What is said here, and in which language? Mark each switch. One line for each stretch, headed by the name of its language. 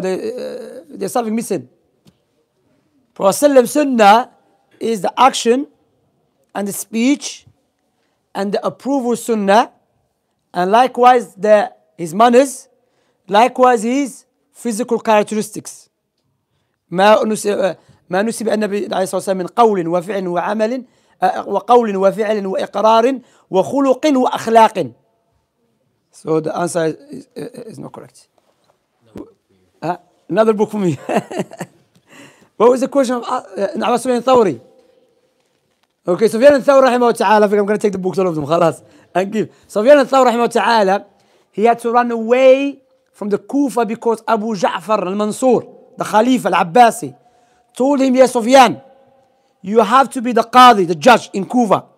English: There's something missing. Prophet sallallahu alaihi wasallam sunnah is the action. And the speech and the approval sunnah, and likewise his manners, likewise his physical characteristics.
Arabic: ما ما نسب النبي عليه الصلاة والسلام من قول وفعل وعمل وقول وفعل وإقرار وخلق وأخلاق.
English: So the answer is not correct. No. Another book for me. What was the question of Abbas bin Thawri? Okay, Sufyan al-Thawri rahimahu ta'ala, I think I'm going to take the books all of them, khalas. And give. Sufyan al-Thawri rahimahu ta'ala, he had to run away from the Kufa because Abu Ja'far al-Mansur, the Khalifa al-Abbasi, told him, yes, Sufyan, you have to be the Qadi, the judge in Kufa.